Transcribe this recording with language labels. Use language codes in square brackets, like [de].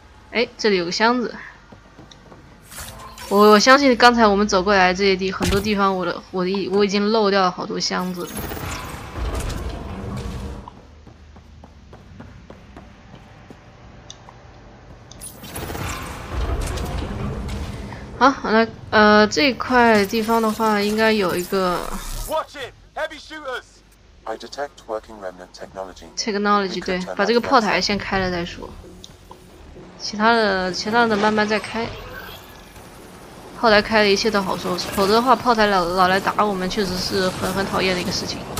[zh] 哎，这里有个箱子。我相信刚才我们走过来这些地很多地方我已经漏掉了好多箱子了。好，那这块地方的话应该有一个 [en] Watch it, heavy shooters. I detect working remnant technology. [zh] Technology, 对，把这个炮台先开了再说。其他的慢慢再开。炮台开了一切都好说，否则的话炮台老来打我们确实是很讨厌的一个事情。